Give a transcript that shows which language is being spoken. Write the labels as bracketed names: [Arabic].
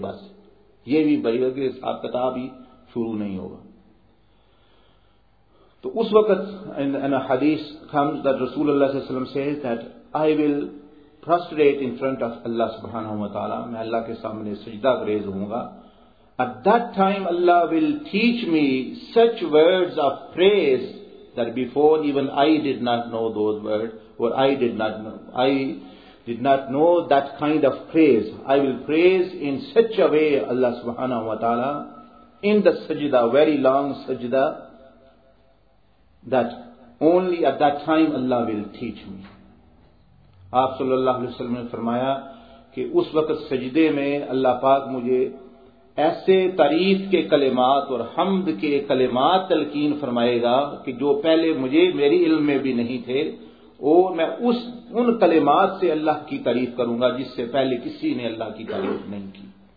[Urdu] بس یہ بھی بہر کہ حساب کتاب ہی شروع نہیں ہوگا. تو اس وقت [English] in a حدیث comes that رسول اللہ صلی اللہ علیہ وسلم says that I will prostrate in front of اللہ سبحانہ وتعالی، [Urdu] میں اللہ کے سامنے سجدہ گریز ہوں گا. [English] At that time Allah will teach me such words of praise that before even I did not know those words, or I did not know that kind of praise. I will praise in such a way Allah subhanahu wa ta'ala in the sajda, very long sajda, that only at that time Allah will teach me. [Urdu] Aap sallallahu alaihi wasallam ne farmaya ke us waqt sajde mein Allah pak mujhe ایسے تعریف کے کلمات اور حمد کے کلمات تلقین فرمائے گا کہ جو پہلے مجھے میری علم میں بھی نہیں تھے، اور میں ان کلمات سے اللہ کی تعریف کروں گا جس سے پہلے کسی نے اللہ کی تعریف نہیں کی.